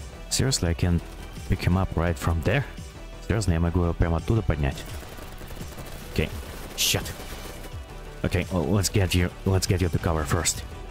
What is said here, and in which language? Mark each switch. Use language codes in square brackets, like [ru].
[en] Seriously, I can pick him up right from there? [ru] Серьезно, я могу его прямо оттуда поднять? [en] Okay. Shit. Okay, well, let's get you to cover first.